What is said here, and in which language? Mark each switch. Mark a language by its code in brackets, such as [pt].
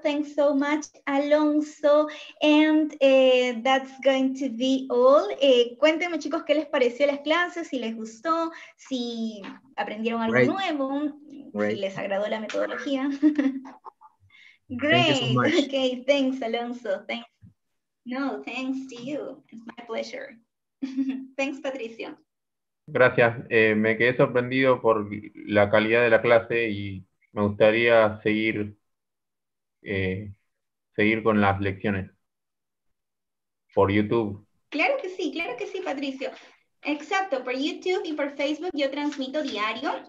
[en] Thanks so much, Alonso. And that's going to be all. [es] Cuéntenme, chicos, qué les pareció las clases, si les gustó, si aprendieron algo nuevo, si les agradó la metodología. [en] Great. Thank you so much. Okay, thanks, Alonso. Thanks. No, thanks to you. It's my pleasure. Thanks, Patricio. Yeah. Gracias. [es] Me quedé sorprendido por la calidad de la clase y me gustaría seguir, seguir con las lecciones por YouTube. Claro que sí, Patricio. Exacto, por YouTube y por Facebook yo transmito diario.